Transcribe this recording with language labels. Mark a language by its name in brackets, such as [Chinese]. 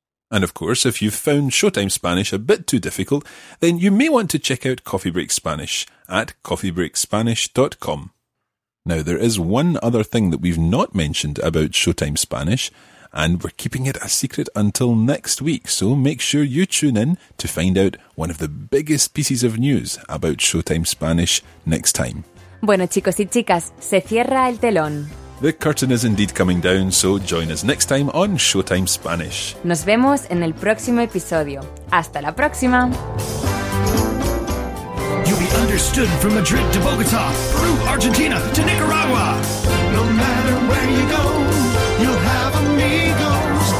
[English] And of course, if you've found Showtime Spanish a bit too difficult, then you may want to check out Coffee Break Spanish at coffeebreakspanish.com. Now, there is one other thing that we've not mentioned about Showtime Spanish, and we're keeping it a secret until next week, so make sure you tune in to find out one of the biggest pieces of news about Showtime Spanish next time. [Spanish] Bueno, chicos y chicas, se cierra el telón. [English] The curtain is indeed coming down, so join us next time on Showtime Spanish. [Spanish] Nos vemos en el próximo episodio. ¡Hasta la próxima! [English] You'll be understood from Madrid to Bogotá, Peru, Argentina to Nicaragua. No matter where you go, you'll have amigos.